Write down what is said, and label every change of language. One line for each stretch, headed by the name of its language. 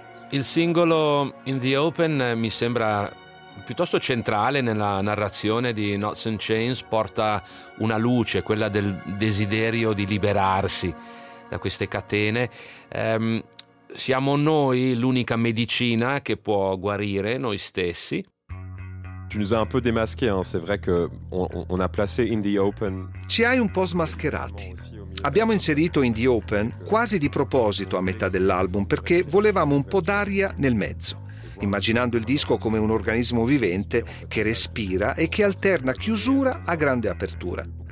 Italian: Il singolo In the Open mi sembra piuttosto centrale nella narrazione di Knots and Chains, porta una luce, quella del desiderio di liberarsi da queste catene. Siamo noi l'unica medicina che può guarire noi stessi.
French: Tu nous as un peu démasqué, hein. C'est vrai que on a placé In the Open.
Italian: Ci hai un po' smascherati. Abbiamo inserito In the Open quasi di proposito a metà dell'album perché volevamo un po' d'aria nel mezzo, immaginando il disco come un organismo vivente che respira e che alterna chiusura a grande apertura.